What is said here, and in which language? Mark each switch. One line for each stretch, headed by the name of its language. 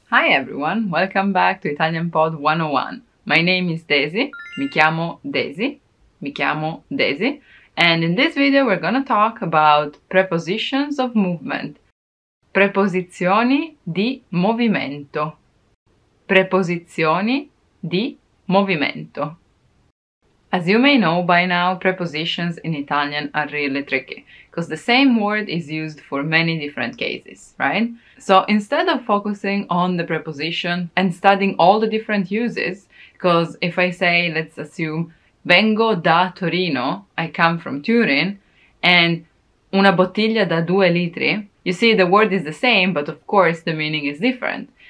English: Hi everyone, welcome back to Italian Pod 101. My name is Daisy.
Italian: Mi chiamo Daisy.
English: And in this video we're gonna talk about prepositions of movement.
Italian: Preposizioni di movimento. Preposizioni di movimento.
English: As you may know by now, prepositions in Italian are really tricky, because the same word is used for many different cases, right? So instead of focusing on the preposition and studying all the different uses, because if I say, let's assume,
Italian: vengo da Torino,
English: I come from Turin, and
Italian: una bottiglia da due litri,
English: you see the word is the same, but of course the meaning is different.